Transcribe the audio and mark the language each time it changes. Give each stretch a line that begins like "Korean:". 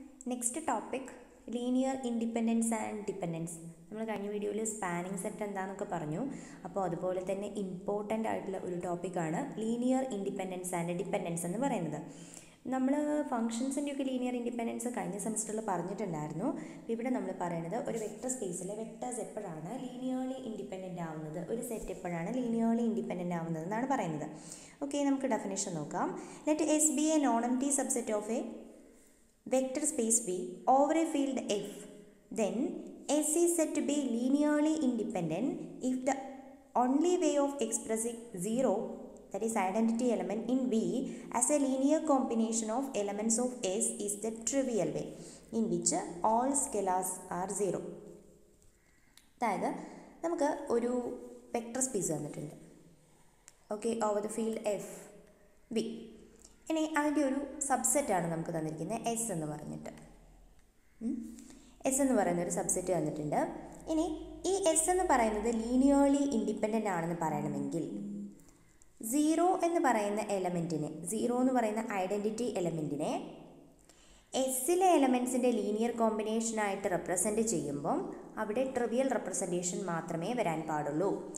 English: Next topic, linear independence and dependence.
Malayalam: നമ്മൾ കഴിഞ്ഞ വീഡിയോയിൽ സ്പാനിങ് സെറ്റ് എന്താണെന്നൊക്കെ പറഞ്ഞു. അപ്പോൾ അതുപോലെ തന്നെ ഇമ്പോർട്ടൻ്റ് ആയിട്ടുള്ള ഒരു ടോപ്പിക്കാണ് ലീനിയർ ഇൻഡിപെൻഡൻസ് ആൻഡ് ഡിപ്പെൻഡൻസ് എന്ന് പറയുന്നത്. നമ്മൾ ഫംഗ്ഷൻസിൻ്റെയൊക്കെ ലീനിയർ ഇൻഡിപെൻഡൻസ് കഴിഞ്ഞ സെമസ്റ്ററിൽ പറഞ്ഞിട്ടുണ്ടായിരുന്നു. അപ്പോൾ ഇവിടെ നമ്മൾ പറയുന്നത് ഒരു വെക്റ്റർ സ്പേസിലെ വെക്റ്റേഴ്സ് എപ്പോഴാണ് ലീനിയർലി ഇൻഡിപെൻഡൻ്റ് ആവുന്നത്, ഒരു സെറ്റ് എപ്പോഴാണ് ലീനിയർലി ഇൻഡിപെൻഡൻ്റ് ആവുന്നത് എന്നാണ് പറയുന്നത്. ഓക്കെ, നമുക്ക് ഡെഫിനേഷൻ നോക്കാം. Let us B A non empty subset of A vector space be over A field F, then
English: S is said to be linearly independent if the only way of expressing zero, that is identity element in V, as a linear combination of elements of S is the trivial way in which all scalars are zero.
Malayalam: അതായത് നമുക്ക് ഒരു vector space തന്നിട്ടുണ്ട്. Okay,
English: over the field F V,
Malayalam: ഇനി അതിൻ്റെ ഒരു സബ്സെറ്റാണ് നമുക്ക് തന്നിരിക്കുന്നത് S എന്ന് പറഞ്ഞിട്ട്. എസ് എന്ന് പറയുന്നൊരു സബ്സെറ്റ് വന്നിട്ടുണ്ട്. ഇനി ഈ എസ് എന്ന് പറയുന്നത് ലീനിയർലി ഇൻഡിപെൻഡൻ്റ് ആണെന്ന് പറയണമെങ്കിൽ സീറോ എന്ന് പറയുന്ന എലമെൻറ്റിനെ, സീറോ എന്ന് പറയുന്ന ഐഡൻറ്റിറ്റി എലമെൻറ്റിനെ എസ്സിലെ എലമെൻസിൻ്റെ ലീനിയർ കോമ്പിനേഷനായിട്ട് റെപ്രസെൻറ്റ് ചെയ്യുമ്പം അവിടെ ട്രിവിയൽ റെപ്രസെൻറ്റേഷൻ മാത്രമേ വരാൻ പാടുള്ളൂ.